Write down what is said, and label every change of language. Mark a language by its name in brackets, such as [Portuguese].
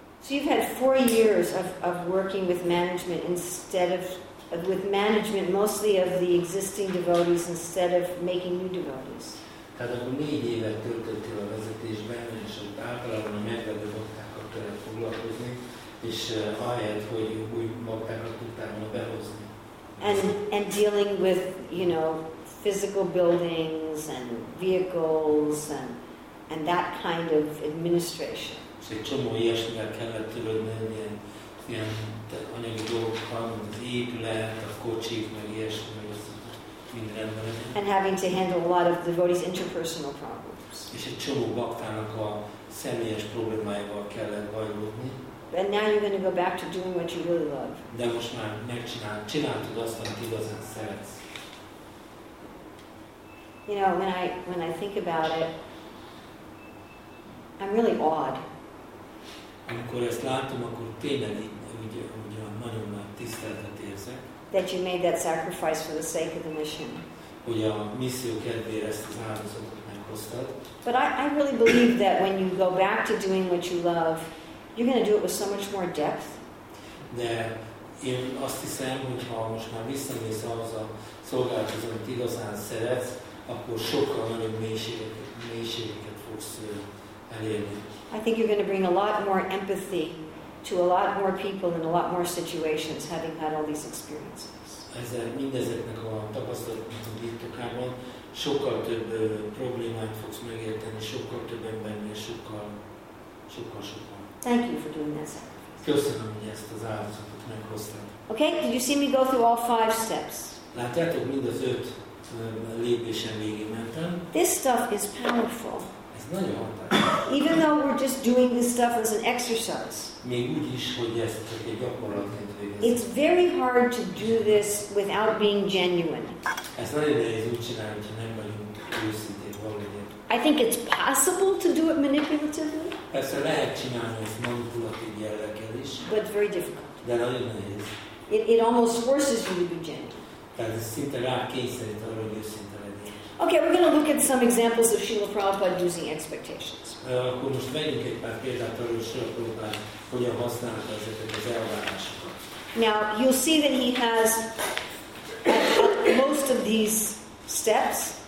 [English] you've had 4 years of working with management instead of with management mostly of the existing devotees instead of making new devotees. [Hungarian] Tehát akkor 4 évet töltöttél a vezetésben, és ott általában a megvedő baktákat kellett foglalkozni, és ahelyett, hogy új baktákat tudtál volna behozni. [English] And dealing with, you know, physical buildings and vehicles and that kind of administration. [Hungarian] És egy csomó ilyesmivel kellett törődni, ilyen anyagi dolgokban, az épület, a kocsik, meg ilyesmi, meg mind rendben. [English] And having to handle a lot of devotees' interpersonal problems. [Hungarian] És egy csomó baktának a személyes problémáival kellett bajlódni. [English] And now you're going to go back to doing what you really love. [Hungarian] De most már csináltad azt, amit igazán szeretsz. [English] You know, when I think about it, I'm really awed. [Hungarian] Amikor ezt látom, akkor tényleg ugye nagyon nagy tiszteletet érzek. [English] That you made that sacrifice for the sake of the mission. [Hungarian] Hogy a misszió kedvére ezt az áldozatot meghoztad. [English] But I really believe that when you go back to doing what you love, you're going to do it with so much more depth. [Hungarian] De én azt hiszem, hogy ha most már visszamész ahhoz a szolgálathoz, amit igazán szeretsz, akkor sokkal nagyobb mélységeket fogsz elérni. [English] I think you're going to bring a lot more empathy to a lot more people in a lot more situations, having had all these experiences. [Hungarian] Ezzel mindezeknek a tapasztalatnak a birtokában sokkal több problémát fogsz megérteni, sokkal több embernél, sokkal. [English] Thank you for doing that. [Hungarian] Köszönöm, hogy ezt az áldozatot meghoztam. [English] Okay, did you see me go through all five steps? [Hungarian] Látjátok, mind az öt lépésen végigmentem. [English] This stuff is powerful. [Hungarian] Ez nagyon hatalmas. [English] Even though we're just doing this stuff as an exercise. [Hungarian] Még úgy is, hogy ezt csak egy gyakorlatként végezzük. [English] It's very hard to do this without being genuine. [Hungarian] Ez nagyon nehéz úgy csinálni, hogy nem vagyunk őszintén valami. [English] I think it's possible to do it manipulatively. [Hungarian] Persze lehet csinálni ezt manipulatív jelleggel is. [English] But very difficult. [Hungarian] De nagyon nehéz. [English] It almost forces you to be genuine. [Hungarian] Tehát ez szinte rá kényszerít arra, hogy őszinte legyen. [English] Okay, we're going to look at some examples of Srila Prabhupada using expectations. [Hungarian] Akkor most vegyünk egy pár példát arról, hogy Srila Prabhupada hogyan használta ezeket az elvárásokat. [English] Now, you'll see that he has most of these steps.